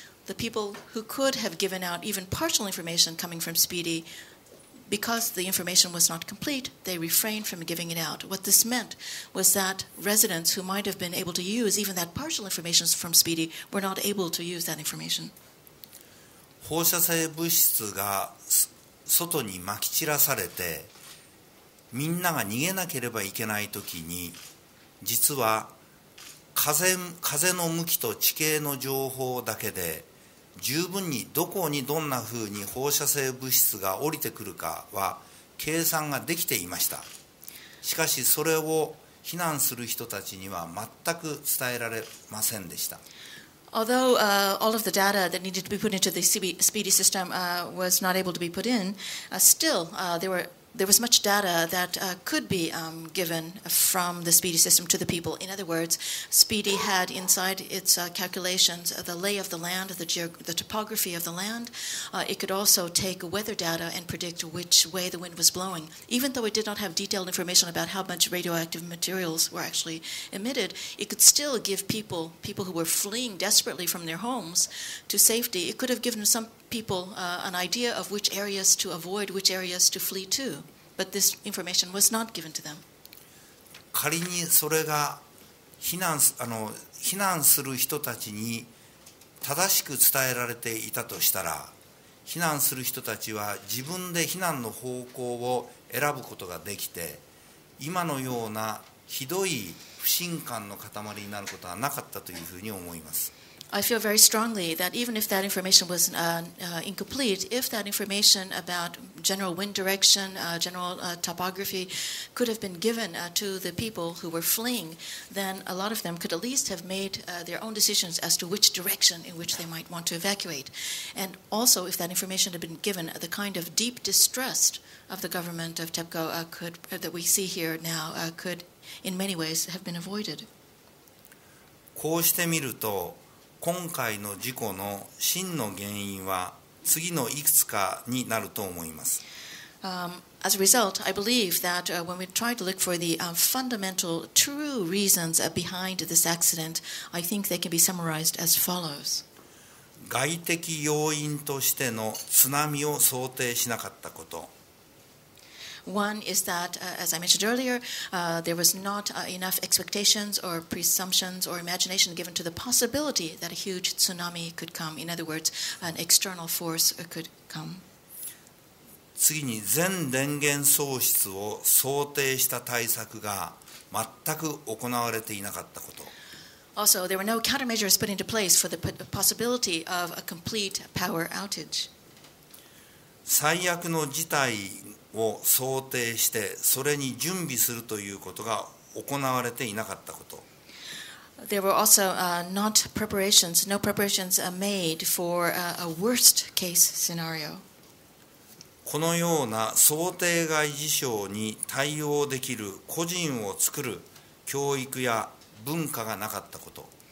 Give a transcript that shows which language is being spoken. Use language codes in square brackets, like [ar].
[en] The people who could have given out even partial information coming from Speedy, because the information was not complete, they refrained from giving it out. What this meant was that residents who might have been able to use even that partial information from Speedy were not able to use that information. [ja] 放射性物質が外に撒き散らされて、みんなが逃げなければいけないときに、実は風の向きと地形の情報だけで、十分にどこにどんなふうに放射性物質が降りてくるかは計算ができていました。しかしそれを避難する人たちには全く伝えられませんでした。 [en] Although all of the data that needed to be put into the Speedy system was not able to be put in, still there was much data that could be given from the Speedy system to the people. In other words, Speedy had inside its calculations the lay of the land, the topography of the land. It could also take weather data and predict which way the wind was blowing. Even though it did not have detailed information about how much radioactive materials were actually emitted, it could still give people who were fleeing desperately from their homes to safety, it could have given some... people an idea of which areas to avoid, which areas to flee to, but this information was not given to them. [ja] 仮にそれが避難する人たちに正しく伝えられていたとしたら、避難する人たちは自分で避難の方向を選ぶことができて、今のようなひどい不信感の塊になることはなかったというふうに思います。 [en] I feel very strongly that even if that information was incomplete, if that information about general wind direction, general topography could have been given to the people who were fleeing, then a lot of them could at least have made their own decisions as to which direction in which they might want to evacuate. And also, if that information had been given, the kind of deep distrust of the government of TEPCO that we see here now could in many ways have been avoided. [ja] こうしてみると今回の事故の真の原因は次のいくつかになると思います。 [en] As a result, I believe that when we try to look for the fundamental true reasons behind this accident, I think they can be summarized as follows. [ja] 外的要因としての津波を想定しなかったこと。 [en] One is that, as I mentioned earlier, there was not enough expectations or presumptions or imagination given to the possibility that a huge tsunami could come. In other words, an external force could come. [ja] 次に、全電源喪失を想定した対策が全く行われていなかったこと。 [en] Also, there were no countermeasures put into place for the possibility of a complete power outage. [ja] 最悪の事態を想定してそれに準備するということが行われていなかったこと。 [en] There were also no preparations made for a worst case scenario. [ja] このような想定外事象に対応できる個人を作る教育や文化がなかったこと。